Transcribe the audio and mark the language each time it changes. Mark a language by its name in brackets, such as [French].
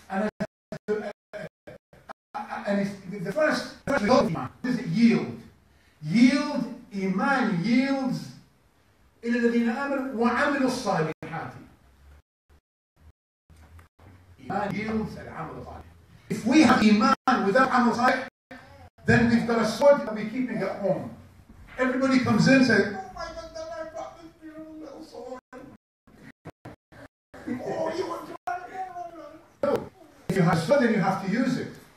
[English] And the first result of Iman, what does it yield? Yield, Iman yields [Arabic] إِلَى الَّذِينَ آمَنُوا وَعَمِلُوا الصَّالِحَاتِ. [English] Iman yields al-amal al-salih. If we have Iman without amal al-salih, then we've got a sword that we're keeping at home. Everybody comes in and says, oh my God, then I brought this beautiful little sword. Oh, you want to have it? If you have a sword, then you have to use it.